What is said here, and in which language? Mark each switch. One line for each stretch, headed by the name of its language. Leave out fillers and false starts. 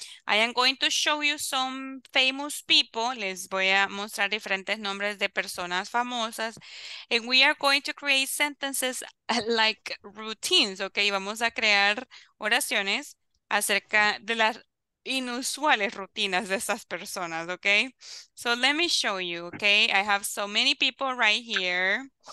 English: I am going to show you some famous people.
Spanish: Les voy a mostrar diferentes nombres de personas famosas.
English: And we are going to create sentences like routines, okay?
Spanish: Vamos a crear oraciones acerca de las inusuales rutinas de esas personas, okay?
English: So let me show you, okay? I have so many people right here.